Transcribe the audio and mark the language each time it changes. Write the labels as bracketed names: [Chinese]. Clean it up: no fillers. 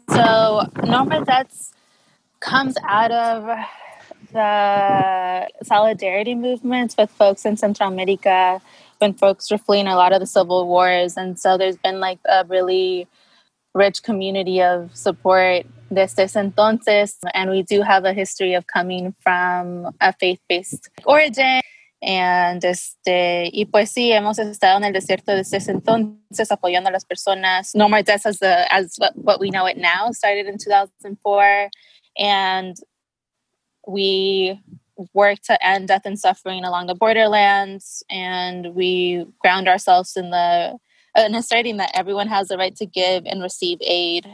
[English] So No More Deaths comes out of the solidarity movements with folks in Central America when folks were fleeing a lot of the civil wars. And so there's been like a really rich community of support [Spanish] desde entonces. [English] And we do have a history of coming from a faith-based origin. And [Spanish] y pues sí, hemos estado en el desierto desde ese entonces apoyando a las personas. [English] No More Deaths as what we know it now started in 2004. And we work to end death and suffering along the borderlands. And we ground ourselves in asserting that everyone has the right to give and receive aid.